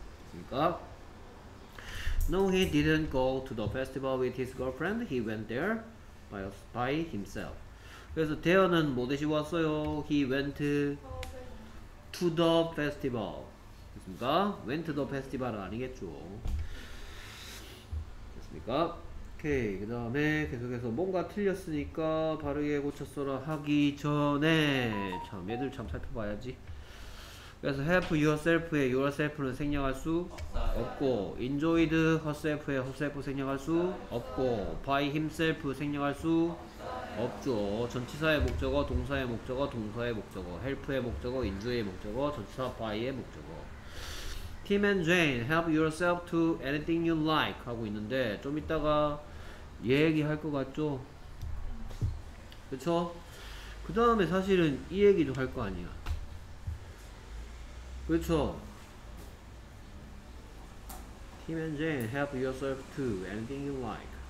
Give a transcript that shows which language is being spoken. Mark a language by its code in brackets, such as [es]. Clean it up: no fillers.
[ko] 그러니까 [en] No, he didn't go to the festival with his girlfriend. He went there by himself. [ko] 그래서 대어는 뭐 대신 왔어요? [en] He went to the festival. [ko] 됐습니까? [en] Went to the festival은 [ko] 아니겠죠. 됐습니까? 오케이. 그 다음에 계속해서 뭔가 틀렸으니까 바르게 고쳤어라 하기 전에 참 얘들 참 살펴봐야지. 그래서 help yourself의 yourself는 생략할 수 없고 enjoyed herself의 herself 생략할 수 없고 by himself 생략할 수 없죠. 전치사의 목적어, 동사의 목적어, 동사의 목적어, help의 목적어, enjoy의 목적어, 전치사 by의 목적어. [en] Tim and Jane, help yourself to anything you like [ko] 하고 있는데 좀 이따가 얘기할 것 같죠? 그쵸? 그 다음에 사실은 이 얘기도 할 거 아니야. 그렇죠. [en] Tim and Jane, help yourself to anything you like.